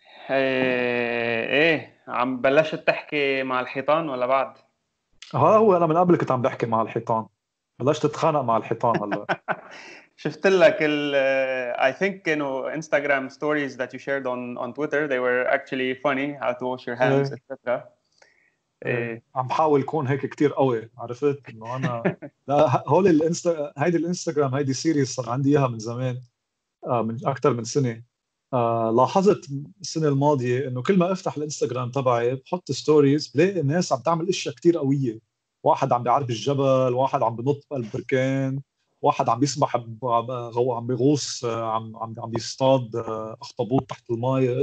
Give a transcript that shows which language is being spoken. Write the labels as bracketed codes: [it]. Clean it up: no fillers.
[ar] ايه عم بلشت تحكي مع الحيطان ولا بعد؟ ها هو انا من قبل كنت عم بحكي مع الحيطان، بلشت اتخانق مع الحيطان هلا. شفت لك ال [en] I think you know Instagram stories that you shared on Twitter they were actually funny how to wash your hands etc. [ar] عم حاول كون هيك كتير قوي، عرفت انه انا لا هول الانستا هيدي الانستغرام هيدي سيريز صار عندي اياها من زمان، من اكثر من سنه. لاحظت السنه الماضيه انه كل ما افتح الانستغرام تبعي بحط ستوريز بلاقي الناس عم تعمل اشياء كتير قويه، واحد عم بيعرب الجبل، واحد عم بنط البركان، واحد عم بيسبح عم بيغوص عم بيصطاد اخطبوط تحت الماي.